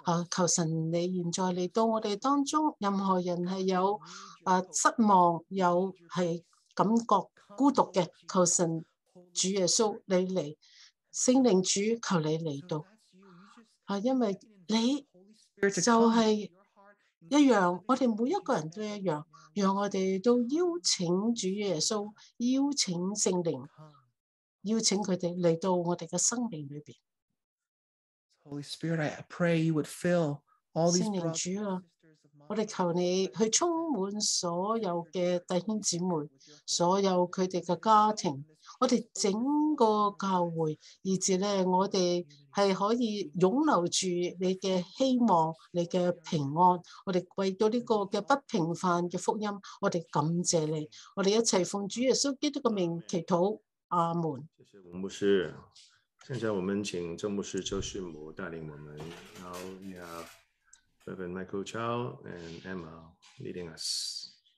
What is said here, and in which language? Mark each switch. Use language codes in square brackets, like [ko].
[zh] 求神你現在來到我們當中，任何人是有失望，有是感覺孤獨的，求神主耶穌你來，聖靈主求你來到，因為你就是一樣，我們每一個人都一樣，讓我們都邀請主耶穌，邀請聖靈，邀請他們來到我們的生命裡面。 [en] Holy Spirit, I pray you would fill all these brothers and sisters of mine. [zh] 我們求你去充滿所有的弟兄姊妹，所有他們的家庭，我們整個教會，以致我們是可以擁留住你的希望，你的平安。我們為到這個的不平凡的福音，我們感謝你。我們一起奉主耶穌基督的名祈禱，阿門。謝謝吳牧師。現在我們請鄭牧師周旭牧帶領我們。 [en] Now we have Reverend Michael Chow and Emma leading us.